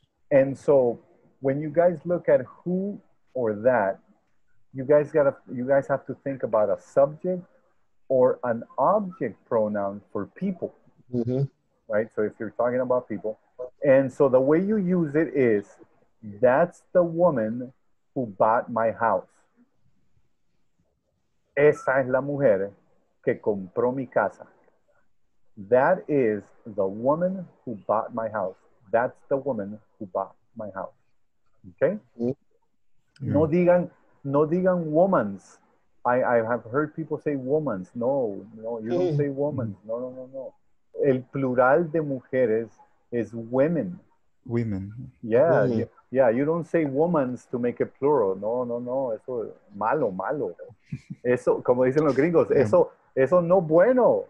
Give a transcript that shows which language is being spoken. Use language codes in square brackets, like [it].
[en] And so when you guys look at who or that, you guys have to think about a subject or an object pronoun for people, mm-hmm. right? So if you're talking about people, and so the way you use it is, that's the woman who bought my house. [es] Esa es la mujer que compró mi casa. [en] That is the woman who bought my house. That's the woman who bought my house. Okay? [es] Mm-hmm. No digan woman's. [en] I have heard people say woman's. No, you don't say woman's. No. [es] El plural de mujeres [en] is women. Women. Yeah, women. Yeah. You don't say woman's to make it plural. [es] No. Eso es malo. Eso, como dicen los gringos, eso no bueno.